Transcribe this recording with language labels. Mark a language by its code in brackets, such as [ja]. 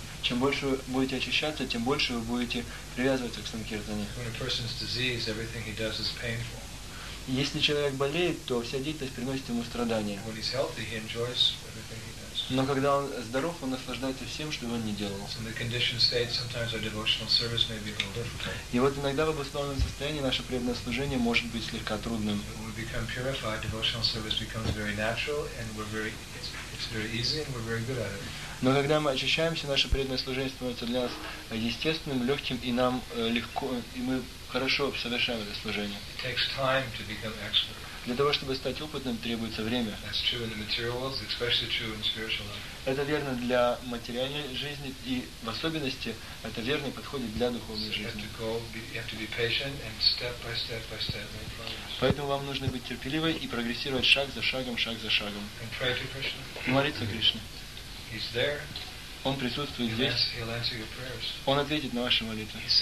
[ru] Чем больше вы будете очищаться, тем больше вы будете привязываться к санкиртане. Если человек болеет, то вся деятельность приносит ему страдания. [en] When he's healthy, he enjoys everything he does. [ru] Но когда он здоров, он наслаждается всем, что бы он ни делал. [en] So in the conditioned state, sometimes our devotional service may be a little difficult. [ru] И вот иногда в обусловленном состоянии наше преданное служение может быть слегка трудным. [en] When we become purified, devotional service becomes very natural, and it's very easy, and we're very good at it. [ru] Но когда мы очищаемся, наше преданное служение становится для нас естественным, легким, и нам легко, и мы хорошо совершаем это служение. [en] It takes time to become expert. [ru] Для того, чтобы стать опытным, требуется время. [en] That's true in the material world, especially true in spiritual life. [ru] Это верно для материальной жизни, и в особенности это верно и подходит для духовной жизни. [en] You have to go, you have to be patient and step by step by step make progress. [ru] Поэтому вам нужно быть терпеливой и прогрессировать шаг за шагом, шаг за шагом. [en] And pray to Krishna. [ru] И молиться Кришне. [en] He's there. [ru] Он присутствует здесь. Он ответит на ваши молитвы.